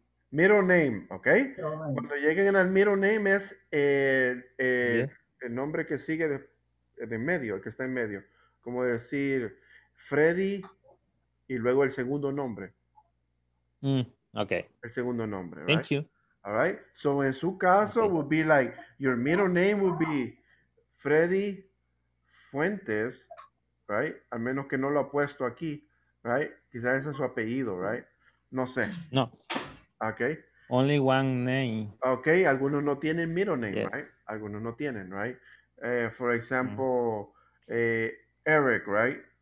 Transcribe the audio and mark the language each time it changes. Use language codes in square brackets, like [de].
[en] Middle name, okay. [es] Cuando lleguen al middle name es el nombre que sigue de medio, el que está en medio. Como decir Freddy y luego el segundo nombre. Okay. El segundo nombre, [en] right? Thank you. All right. So [es] en su caso, [en] okay, would be like your middle name would be Freddy Fuentes, right? [es] Al menos que no lo ha puesto aquí. Right? Quizás ese es su apellido, right? No sé. No. Okay. [en] Only one name. [es] Okay. Algunos no tienen middle name, yes, right? Algunos no tienen, right? [en] For example, Eric, right?